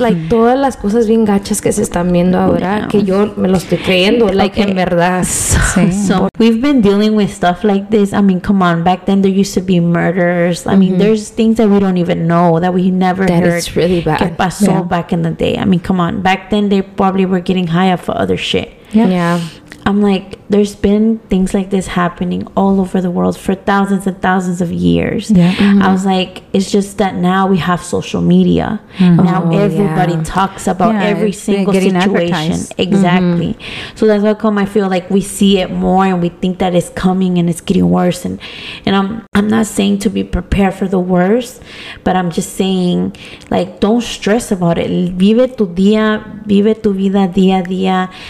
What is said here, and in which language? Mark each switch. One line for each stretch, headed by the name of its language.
Spanish: Like todas las cosas bien gachas que se están viendo ahora, yeah, que yo me lo estoy creyendo. Like, okay, en verdad.
English: So we've been dealing with stuff like this. I mean, come on. Back then there used to be murders. I, mm-hmm, mean, there's things that we don't even know that we never that heard. That is really bad.
Spanish: Que pasó,
English: yeah, back in the day. I mean, come on. Back then they probably were getting high off of other shit. Yeah. Yeah. I'm like, there's been things like this happening all over the world for thousands and thousands of years. Yeah. Mm-hmm. I was like, it's just that now we have social media. Mm-hmm. Now everybody, yeah, talks about, yeah, every single getting situation. Advertised. Exactly. Mm-hmm. So that's how come I feel like we see it more and we think that it's coming and it's getting worse. And I'm not saying to be prepared for the worst, but I'm just saying, like, don't stress about it.
Spanish: Vive tu día, vive tu vida día a día.